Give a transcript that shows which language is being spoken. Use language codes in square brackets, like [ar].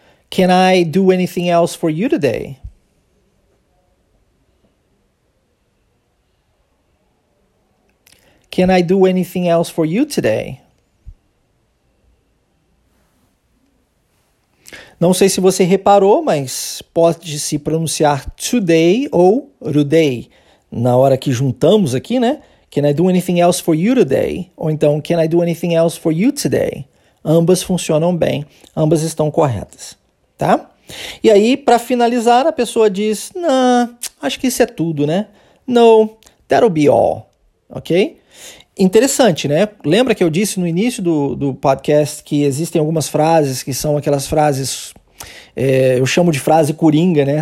[en] Can I do anything else for you today? Can I do anything else for you today? [pt] Não sei se você reparou, mas pode se pronunciar today ou today na hora que juntamos aqui, né? [en] Can I do anything else for you today? [pt] Ou então, [en] can I do anything else for you today? [pt] Ambas funcionam bem, ambas estão corretas, tá? E aí, para finalizar, a pessoa diz, nah, acho que isso é tudo, né? [en] No, that'll be all, ok? [pt] Interessante, né? Lembra que eu disse no início do podcast que existem algumas frases que são aquelas frases, eu chamo de frase coringa, né?